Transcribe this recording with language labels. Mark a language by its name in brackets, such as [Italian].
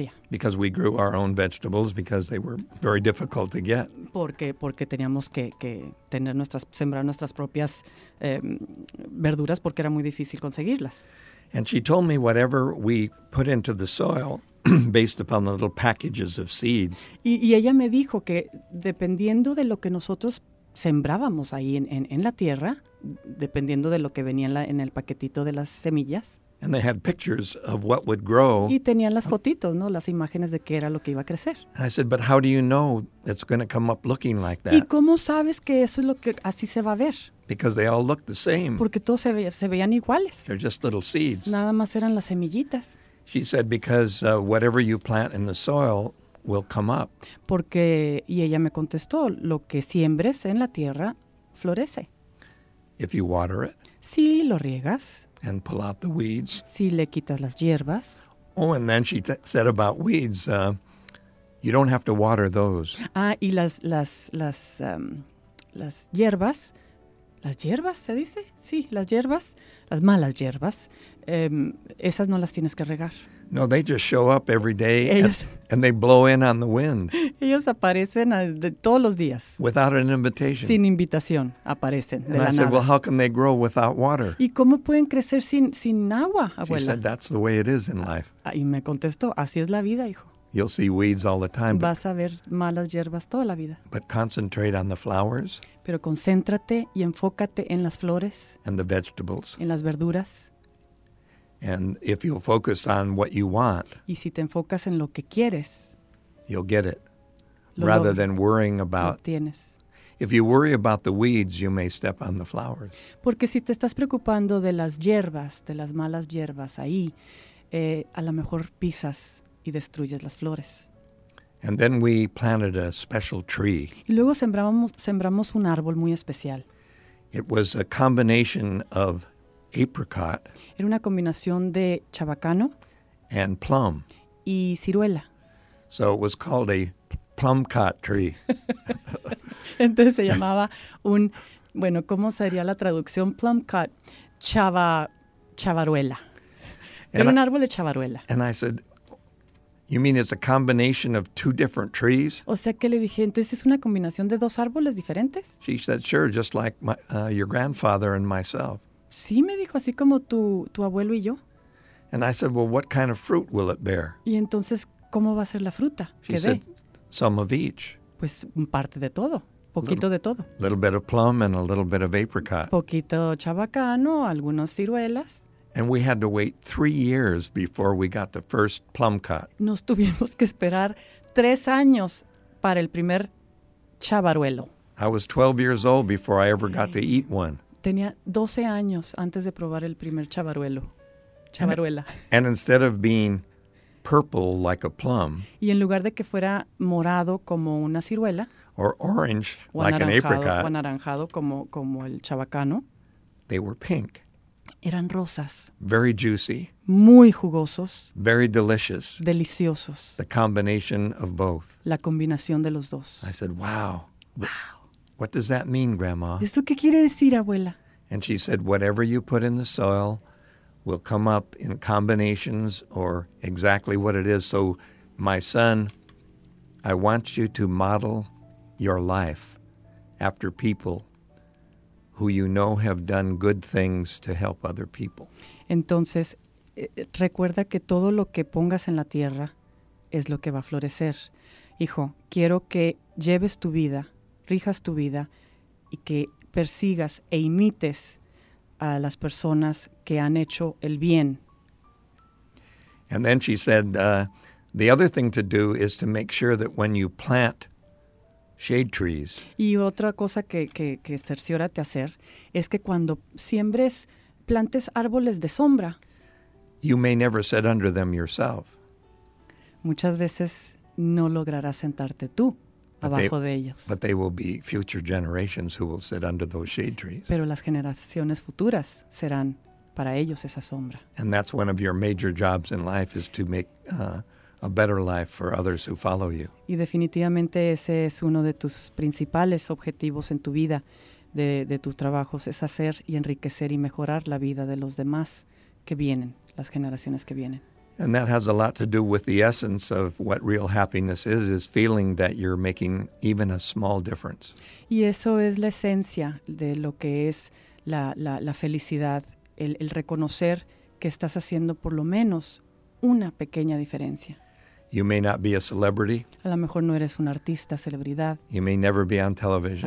[English] Because we grew our own vegetables because they were very difficult to get. [Spanish] Porque teníamos que tener sembrar nuestras propias verduras porque era muy difícil conseguirlas. [English] And she told me whatever we put into the soil based upon the little packages of seeds. [Spanish] Y ella me dijo que dependiendo de lo que nosotros sembrábamos ahí en la tierra, dependiendo de lo que venía en el paquetito de las semillas. [English] And they had pictures of what would grow. [Spanish] Y tenían las fotitos, ¿no? Las imágenes de qué era lo que iba a crecer. [English] I said, but how do you know it's going to come up looking like that? [Spanish] ¿Y cómo sabes que eso es lo que así se va a ver? [English] Because they all look the same. [Spanish] Porque todos se veían iguales. [English] They're just little seeds. [Spanish] Nada más eran las semillitas. [English] She said, because whatever you plant in the soil will come up. [Spanish] Porque, y ella me contestó, lo que siembres en la tierra florece. [English] If you water it. [Spanish] Si lo riegas. [English] And pull out the weeds. [Spanish] Si le quitas las hierbas. [English] Oh, and then she said about weeds, you don't have to water those. [Spanish] Ah, y las hierbas. ¿Las hierbas se dice? Sí, las hierbas, las malas hierbas, esas no las tienes que regar. [English] No, they just show up every day and they blow in on the wind. [Spanish] Ellas aparecen todos los días. [English] Without an invitation. [Spanish] Sin invitación, aparecen de la nada. [English] And I said, well, how can they grow without water? [Spanish] ¿Y cómo pueden crecer sin agua, abuela? [English] She said, that's the way it is in life. [Spanish] Y me contestó, así es la vida, hijo. [English] You'll see weeds all the time. [Spanish] Vas a ver malas hierbas toda la vida. [English] But concentrate on the flowers. [Spanish] Pero concéntrate y enfócate en las flores. [English] And the vegetables. [Spanish] En las verduras. [English] And if you'll focus on what you want. [Spanish] Y si te enfocas en lo que quieres. [English] You'll get it. Rather than worrying about. [Spanish] Lo tienes. [English] If you worry about the weeds, you may step on the flowers. [Spanish] Porque si te estás preocupando de las hierbas, de las malas hierbas ahí, a lo mejor pisas y destruyes las flores. [English] And then we planted a special tree. [Spanish] Y luego sembramos un árbol muy especial. [English] It was a combination of apricot. [Spanish] Era una combinación de chabacano. [English] And plum. [Spanish] Y ciruela. [English] So it was called a plumcot tree. [Spanish] Entonces se llamaba ¿cómo sería la traducción? Plumcot, chavaruela. Era un árbol de chavaruela. [English] And I said, you mean it's a combination of two different trees? [Spanish] O sea que le dije, entonces es una combinación de dos árboles diferentes. [English] She said, sure, just like your grandfather and myself. [Spanish] Sí, me dijo, así como tu abuelo y yo. [English] And I said, well, what kind of fruit will it bear? [Spanish] Y entonces, ¿cómo va a ser la fruta? [English] She said, some of each. [Spanish] Pues parte de todo, poquito [English] little, [Spanish] de todo. [English] A little bit of plum and a little bit of apricot. [Spanish] Poquito chabacano, algunas ciruelas. [English] And we had to wait 3 years before we got the first plum cut. [Spanish] Nos tuvimos que esperar 3 años para el primer chabaruelo. [English] I was 12 years old before I ever got to eat one. [Spanish] Tenía 12 años antes de probar el primer chabaruelo. Chabaruela. [English] And instead of being purple like a plum. [Spanish] Y en lugar de que fuera morado como una ciruela. [English] Or orange like an apricot. [Spanish] O anaranjado como el chabacano. [English] They were pink. [Spanish] Eran rosas. [English] Very juicy. [Spanish] Muy jugosos. [English] Very delicious. [Spanish] Deliciosos. [English] The combination of both. [Spanish] La combinación de los dos. [English] I said, wow. [Spanish] Wow. [English] What does that mean, Grandma? [Spanish] ¿Esto qué quiere decir, abuela? [English] And she said, whatever you put in the soil will come up in combinations or exactly what it is. So, my son, I want you to model your life after people who you know have done good things to help other people. [Spanish] Entonces, recuerda que todo lo que pongas en la tierra es lo que va a florecer. Hijo, quiero que lleves tu vida, rijas tu vida y que persigas e imites a las personas que han hecho el bien. [English] And then she said, the other thing to do is to make sure that when you plant shade trees. [Spanish] Y otra cosa que cerciórate hacer es que cuando siembres, plantes árboles de sombra. [English] You may never sit under them yourself. [Spanish] Muchas veces no lograrás sentarte tú abajo de ellos. [English] But they will be future generations who will sit under those shade trees. [Spanish] Pero las generaciones futuras serán para ellos esa sombra. [English] And that's one of your major jobs in life is to make a better life for others who follow you. [Spanish] Y definitivamente ese es uno de tus principales objetivos en tu vida, de tus trabajos, es hacer y enriquecer y mejorar la vida de los demás que vienen, las generaciones que vienen. [English] And that has a lot to do with the essence of what real happiness is feeling that you're making even a small difference. [Spanish] Y eso es la esencia de lo que es la felicidad, el reconocer que estás haciendo por lo menos una pequeña diferencia. [English] You may not be a celebrity. [Spanish] A lo mejor no eres un artista, celebridad. [English] You may never be on television.